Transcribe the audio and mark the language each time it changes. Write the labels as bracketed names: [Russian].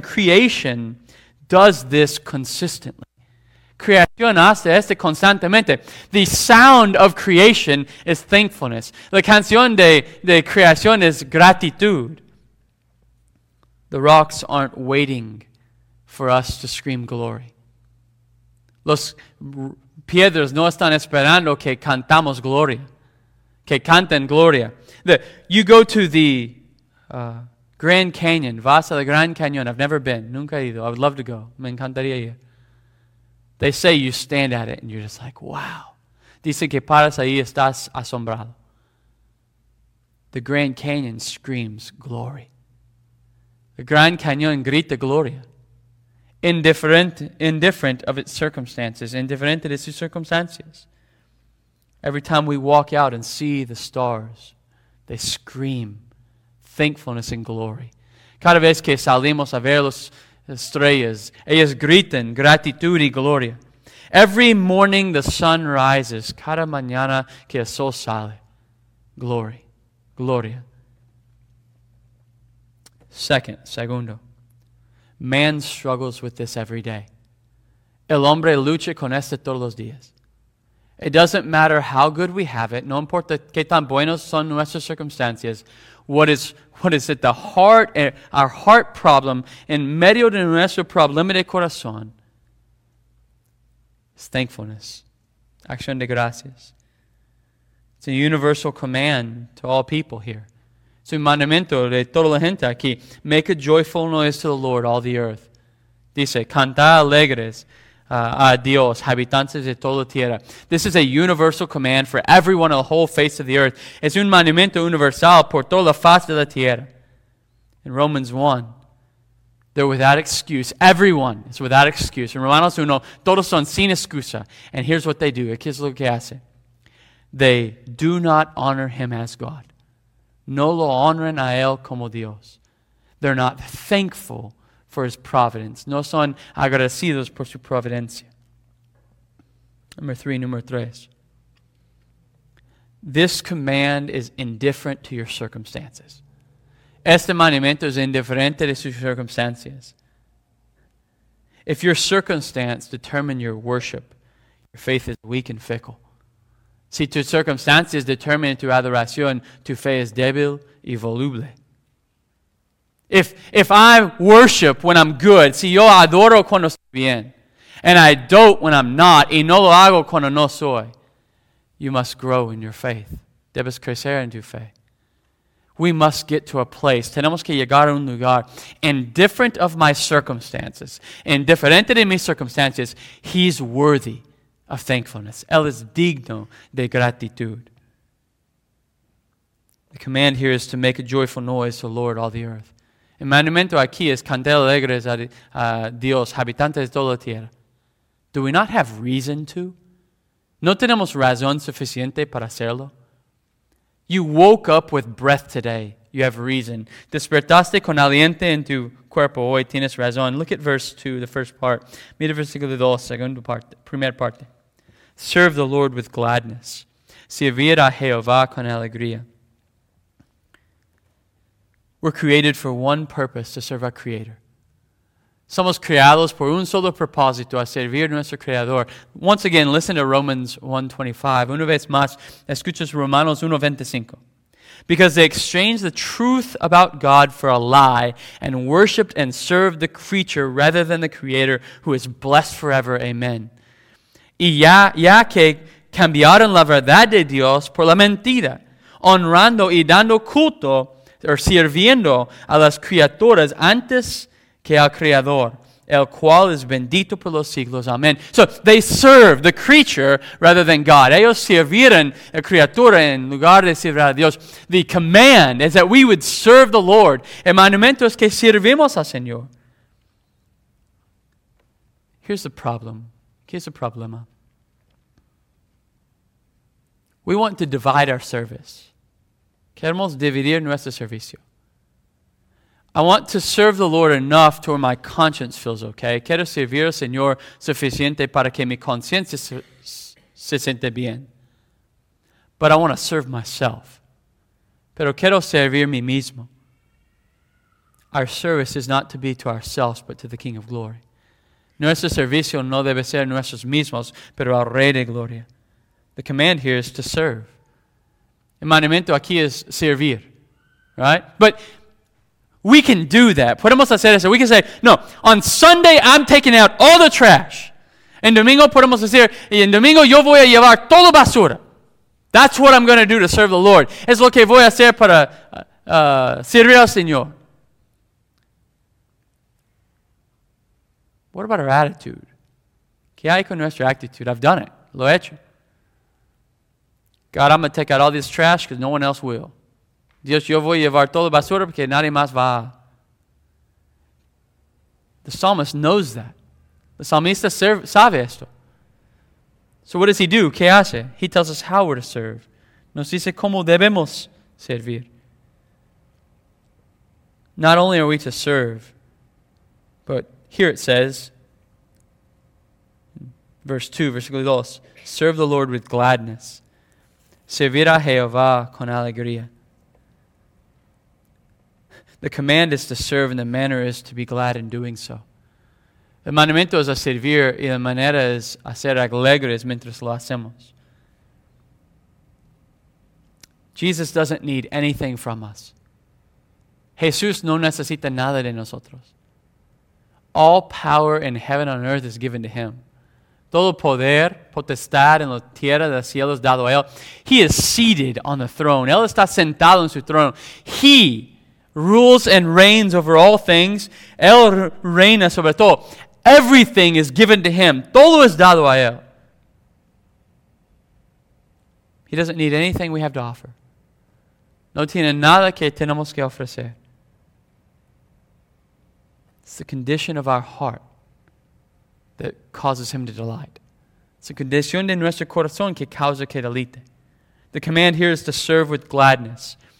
[English] Creation does this consistently. [Spanish] Creación hace este constantemente. [English] The sound of creation is thankfulness. [Spanish] La canción de creación es gratitud. [English] The rocks aren't waiting for us to scream glory. [Spanish] Los piedras no están esperando que cantamos gloria. Que canten gloria. [English] You go to the Grand Canyon. [Spanish] Vas a la Grand Canyon. [English] I've never been. [Spanish] Nunca he ido. [English] I would love to go. [Spanish] Me encantaría ir. [English] They say you stand at it and you're just like, wow. [Spanish] Dicen que paras ahí y estás asombrado. [English] The Grand Canyon screams glory. The Grand Canyon [Spanish] grita gloria. [English] Indifferent of its circumstances. [Spanish] Indifferent de sus circunstancias. [English] Every time we walk out and see the stars, they scream thankfulness and glory. [Spanish] Cada vez que salimos a ver las estrellas, ellas gritan gratitud y gloria. [English] Every morning the sun rises, [Spanish] cada mañana que el sol sale, [English] glory, [Spanish] gloria. [English] Segundo, man struggles with this every day. [Spanish] El hombre lucha con esto todos los días. [English] It doesn't matter how good we have it. [Spanish] No importa qué tan buenos son nuestras circunstancias. [English] What is at the heart, our heart problem, [Spanish] en medio de nuestro problema de corazón, [English] is thankfulness. [Spanish] Acción de gracias. [English] It's a universal command to all people here. [Spanish] Es un mandamiento de toda la gente aquí. [English] Make a joyful noise to the Lord, all the earth. [Spanish] Dice, canta alegres. Adios, habitantes de toda tierra. [English] This is a universal command for everyone on the whole face of the earth. [Spanish] Es un monumento universal por toda la faz de la tierra. [English] In Romans 1, they're without excuse. Everyone is without excuse. [Spanish] In Romanos 1, todos son sin excusa. [English] And here's what they do. [Spanish] Aquí es lo que hace. [English] They do not honor him as God. [Spanish] No lo honran a él como Dios. [English] They're not thankful for his providence. [Spanish] No son agradecidos por su providencia. [English] Number 3. This command is indifferent to your circumstances. [Spanish] Este mandamiento es indiferente de sus circunstancias. [English] If your circumstance determine your worship, your faith is weak and fickle. [Spanish] Si tus circunstancias determinan tu adoración, tu fe es débil y voluble. [English] If I worship when I'm good, [Spanish] si yo adoro cuando estoy bien, [English] and I dote when I'm not, [Spanish] y no lo hago cuando no soy, [English] you must grow in your faith. [Spanish] Debes crecer en tu fe. [English] We must get to a place, [Spanish] tenemos que llegar a un lugar, [English] indifferent of my circumstances, [Spanish] indiferente de mis circunstancias, [English] he's worthy of thankfulness. [Spanish] Él es digno de gratitud. [English] The command here is to make a joyful noise to the Lord, all the earth. [Spanish] El mandamiento aquí es cantar alegres a Dios, habitantes de toda la tierra. [English] Do we not have reason to? [Spanish] ¿No tenemos razón suficiente para hacerlo? [English] You woke up with breath today. You have reason. [Spanish] Despertaste con aliento en tu cuerpo hoy. Tienes razón. [English] Look at verse 2, the first part. [Spanish] Mira versículo 2, segunda parte, primera parte. [English] Serve the Lord with gladness. [Spanish] Servir a Jehová con alegría. [English] We're created for one purpose, to serve our Creator. [Spanish] Somos creados por un solo propósito, a servir nuestro Creador. [English] Once again, listen to Romans 1:25. [Spanish] Una vez más, escuchas Romanos 1:25. [English] Because they exchanged the truth about God for a lie and worshipped and served the creature rather than the Creator, who is blessed forever. Amen. [Spanish] Y ya que cambiaron la verdad de Dios por la mentira, honrando y dando culto or sirviendo a las criaturas antes que al Creador, el cual es bendito por los siglos. Amen. [English] So they serve the creature rather than God. [Spanish] Ellos sirvieron a criatura en lugar de servir a Dios. [English] The command is that we would serve the Lord. [Spanish] El mandamiento es que servimos al Señor. [English] Here's the problem. [Spanish] ¿Qué es el problema? [English] We want to divide our service. [Spanish] Queremos dividir nuestro servicio. [English] I want to serve the Lord enough to where my conscience feels okay. [Spanish] Quiero servir al Señor suficiente para que mi conciencia se siente bien. [English] But I want to serve myself. [Spanish] Pero quiero servir mi mismo. [English] Our service is not to be to ourselves, but to the King of Glory. [Spanish] Nuestro servicio no debe ser nuestros mismos, pero al Rey de Gloria. [English] The command here is to serve. [Spanish] El mandamiento aquí es servir. [English] Right? But we can do that. [Spanish] Podemos hacer eso. [English] We can say, no, on Sunday I'm taking out all the trash. [Spanish] En domingo podemos decir, y en domingo yo voy a llevar todo basura. [English] That's what I'm going to do to serve the Lord. [Spanish] Es lo que voy a hacer para servir al Señor. [English] What about our attitude? [Spanish] ¿Qué hay con nuestra actitud? [English] I've done it. [Spanish] Lo he hecho. [English] God, I'm going to take out all this trash because no one else will. [Spanish] Dios, yo voy a llevar toda basura porque nadie más va. [English] The psalmist knows that. The [Spanish] psalmista sabe esto. [English] So what does he do? [Spanish] ¿Qué hace? [English] He tells us how we're to serve. [Spanish] Nos dice cómo debemos servir. [English] Not only are we to serve, but here it says, verse 2, versículo 2, serve the Lord with gladness. [Spanish] Servir a Jehová con alegría. [English] The command is to serve, and the manner is to be glad in doing so. [Spanish] El mandamiento es a servir, y la manera es a ser alegres mientras lo hacemos. [English] Jesus doesn't need anything from us. [Spanish] Jesús no necesita nada de nosotros. [English] All power in heaven and earth is given to him. [Spanish] Todo poder, potestad en la tierra de los cielos dado a él. [English] He is seated on the throne. [Spanish] Él está sentado en su trono. [English] He rules and reigns over all things. [Spanish] Él reina sobre todo. [English] Everything is given to him. [Spanish] Todo es dado a él. [English] He doesn't need anything we have to offer. [Spanish] No tiene nada que tenemos que ofrecer. [English] It's the condition of our heart that causes him to delight. It's the condition [Spanish] de nuestro corazón que causa que delite. [English] The command here is to serve with gladness.